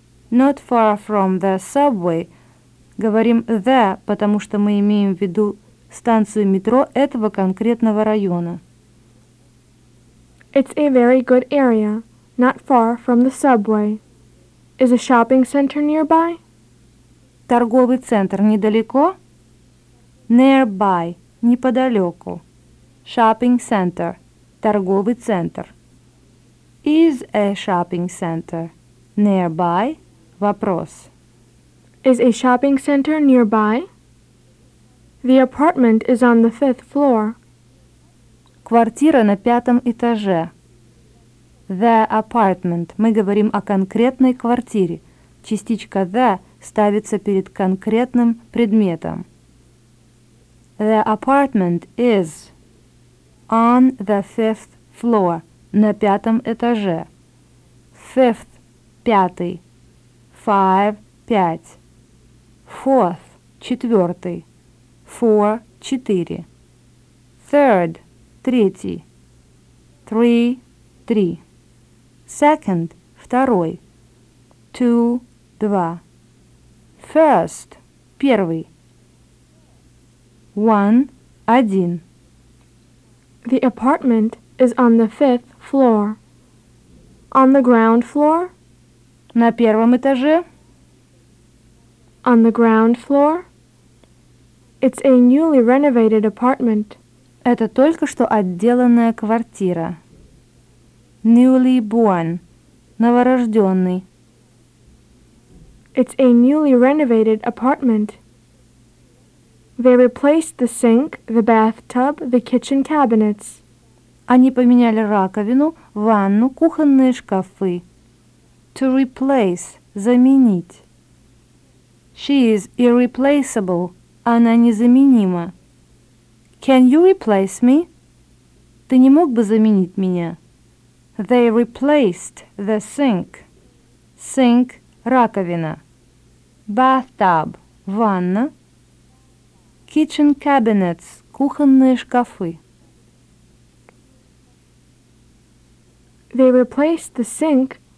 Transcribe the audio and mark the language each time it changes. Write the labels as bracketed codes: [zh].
[en] Not far from the subway. [ru] Говорим «the», потому что мы имеем в виду станцию метро этого конкретного района. [en] It's a very good area, not far from the subway. Is a shopping center nearby? [ru] Торговый центр недалеко? [en] Nearby – [ru] неподалеку. [en] Shopping center – [ru] торговый центр. [en] Is a shopping center nearby? [ru] Вопрос. [en] Is a shopping center nearby? The apartment is on the 5th floor. [ru] Квартира на 5-м этаже. [en] The apartment. [ru] Мы говорим о конкретной квартире. Частичка the ставится перед конкретным предметом. [en] The apartment is on the 5th floor. [ru] На 5-м этаже. 5th – пятый. 5 – пять. 4th – четвертый. 4 – четыре. 3rd – третий. 3 – три. 2nd – второй. 2 – два. 1st – первый. 1 – один. [en] The apartment is on the 5th floor. On the ground floor? [ru] На 1-м этаже? [en] On the ground floor? It's a newly renovated apartment. [ru] Это только что отделанная квартира. [en] Newly born. [ru] Новорожденный. [en] It's a newly renovated apartment. They replaced the sink, the bathtub, the kitchen cabinets. [ru] Они поменяли раковину, ванну, кухонные шкафы. [en] To replace – [ru] заменить. [en] She is irreplaceable. [ru] Она незаменима. [en] Can you replace me? [ru] Ты не мог бы заменить меня? [en] They replaced the sink. Sink – [ru] раковина. [en] Bathtub – [ru] ванна. [en] Kitchen cabinets – [ru] кухонные шкафы. [en] They replaced the sink,